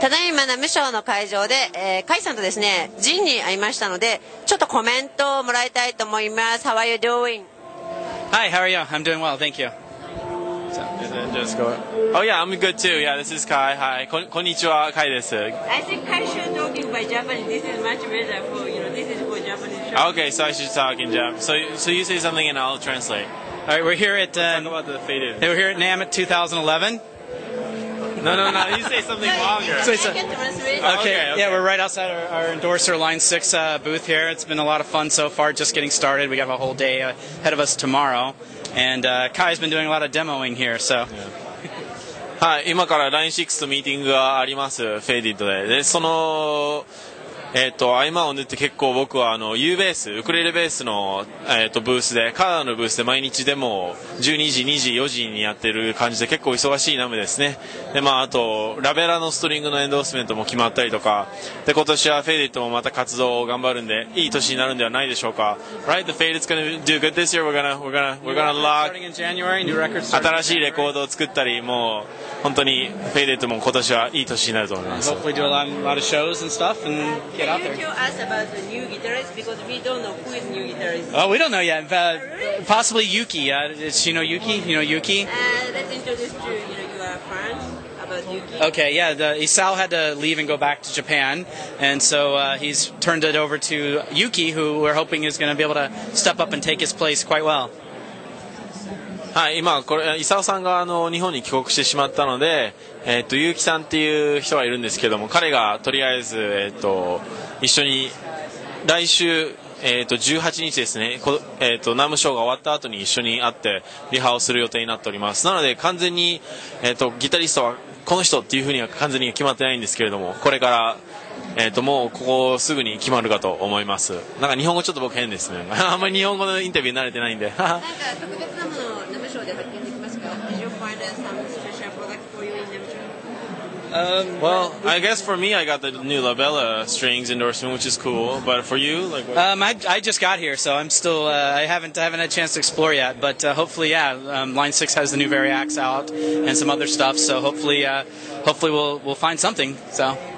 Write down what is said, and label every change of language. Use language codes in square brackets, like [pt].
[ja] ただいまナムショーの会場で、カイさんとですねジンに会いましたので、ちょっとコメントをもらいたいと思います。 [en] How are you doing? Hi, how are you? I'm doing well, thank you. So, is it just go? Oh yeah, I'm good too. Yeah, this is Kai. [ja] Hi, こんにちは、カイです。 [en] I think Kai should talk in Japanese. This is much better for, you know, this is for Japanese show. Okay, so I should talk in Japanese. So you say something and I'll translate. All right, we're here at NAMM 2011. No, you say something longer. So I can translate. Okay, yeah, we're right outside our endorser Line 6 booth here. It's been a lot of fun so far, just getting started. We have a whole day ahead of us tomorrow. And Kai's been doing a lot of demoing here, so... Yeah. [ja] はい、今から LINE6 とミーティングがあります、フェイディッド でその、合間を縫って結構僕はあの U ベース、ウクレレベースの、ブースで、カナダのブースで毎日デモを12時、2時、4時にやってる感じで結構忙しいナムですね。で、まあ、あとラベラのストリングのエンドースメントも決まったりとかで、今年はフェイディッドもまた活動を頑張るんでいい年になるんではないでしょうか。 [en] Right, the Faded's gonna do good this year. We're gonna lock in January, new records, [ja] 新しいレコードを作ったり、もう本当にフェイデットも今年はいい年になると思います。 [en] Hopefully do a lot of shows and stuff and get out there. Can you tell us about the new guitarist? Because we don't know who is new guitarist. Oh, we don't know yet. Possibly Yuki. Does she know Yuki? You know Yuki? Let's introduce you. You know, you are friends. Okay, yeah, Isao had to leave and go back to Japan, and so he's turned it over to Yuki, who we're hoping is going to be able to step up and take his place quite well. [ja] はい、今これ Isao さんがあの日本に帰国してしまったので、Yuki さんっていう人がいるんですけども、彼がとりあえず一緒に来週18日ですね、ナムショーが終わった後に一緒に会ってリハをする予定になっております。なので完全に、ギタリストはこの人っていうふうには完全に決まってないんですけれども、これから、もうここすぐに決まるかと思います。なんか日本語ちょっと僕変ですねあんまり日本語のインタビュー慣れてないんでなんか特別なものをナムショーで発見できますか。 [en] Did you find some special product for you in ナムショー？ Well, I guess for me I got the new Labella strings endorsement, which is cool, but for you, like what? I just got here, so I'm still, I haven't had a chance to explore yet, but hopefully, yeah, Line 6 has the new Variax out and some other stuff, so hopefully we'll find something, so.